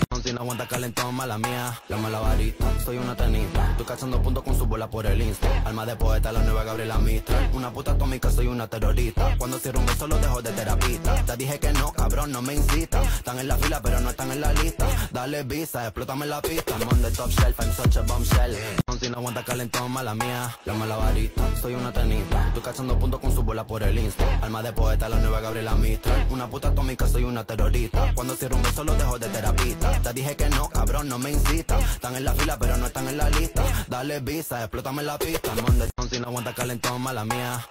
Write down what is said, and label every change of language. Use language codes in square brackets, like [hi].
[es] Si no aguanta calentón, mala mía. La mala varita, soy una tenista. Estoy cazando puntos con su bola por el Insta. Alma de poeta, la nueva Gabriela Mistral. Una puta atómica, soy una terrorista. Cuando cierro un beso lo dejo de terapista. Te dije que no, cabrón, no me incita. Están en la fila, pero no están en la lista. Dale visa, explótame la pista. [en] I'm on the top shelf, I'm such a bombshell. [es] Si no aguanta calentón, mala mía. La mala varita, soy una tenista. Estoy cazando puntos con su bola por el Insta. Alma de poeta, la nueva Gabriela Mistral. Una puta atómica, soy una terrorista. Cuando cierro un beso lo dejo de terapista. Te dije que no, cabrón, no me incita. Están en la fila, pero no están en la lista. Dale visa, explótame la pista. [en] I'm on the top, [es] si no aguanta calentón, mala mía.